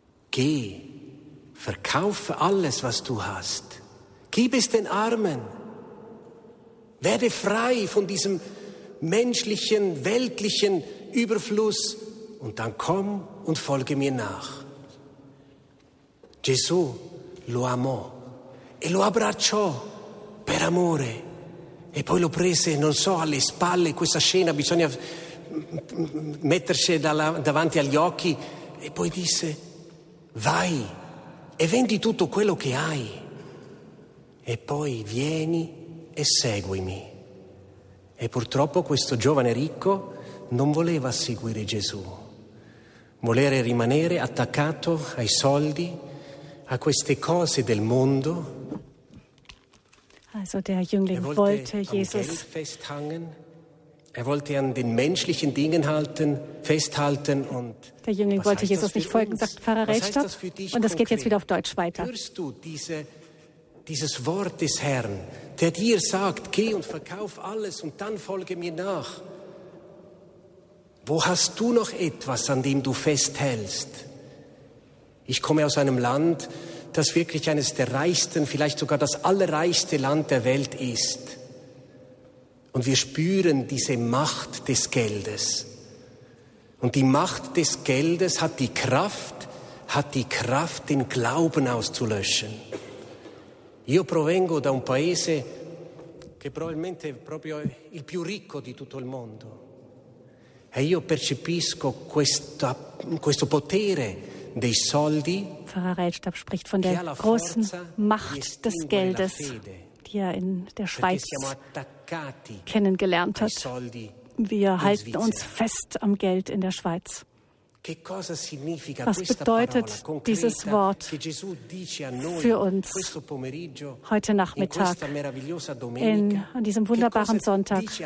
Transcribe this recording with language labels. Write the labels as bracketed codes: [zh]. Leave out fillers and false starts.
[de] Geh, verkaufe alles, was du hast. Gib es den Armen. Werde frei von diesem menschlichen, weltlichen Überfluss und dann komm und folge mir nach. [it] Gesù lo amò e lo abbracciò per amore e poi lo prese, non so, alle spalle. Questa scena bisogna mettersi davanti agli occhi e poi disse, vai e vendi tutto quello che hai e poi vieni e seguimi. E purtroppo questo giovane ricco non voleva seguire Gesù, volere rimanere attaccato ai soldi, a queste cose del mondo. [de] Also der Jüngling wollte Jesus am Geld festhangen. Er wollte an den menschlichen Dingen halten, festhalten. Und der Jüngling wollte Jesus nicht folgen, sagt Pfarrer Reitstab. Und das geht jetzt wieder auf Deutsch weiter. Hörst du dieses Wort des Herrn, der dir sagt, geh und verkauf alles und dann folge mir nach? Wo hast du noch etwas, an dem du festhältst? Ich komme aus einem Land, das wirklich eines der reichsten, vielleicht sogar das allerreichste Land der Welt ist. Und wir spüren diese Macht des Geldes. Und die Macht des Geldes hat die Kraft, den Glauben auszulöschen. [it] Io provengo da un paese che probabilmente proprio il più ricco di tutto il mondo. E io percepisco questo potere dei soldi. [de] Pfarrer Reitstab spricht von der großen Macht des Geldes, die er in der Schweiz kennengelernt hat. Wir halten uns fest am Geld in der Schweiz. Was bedeutet dieses Wort für uns heute Nachmittag, an diesem wunderbaren Sonntag?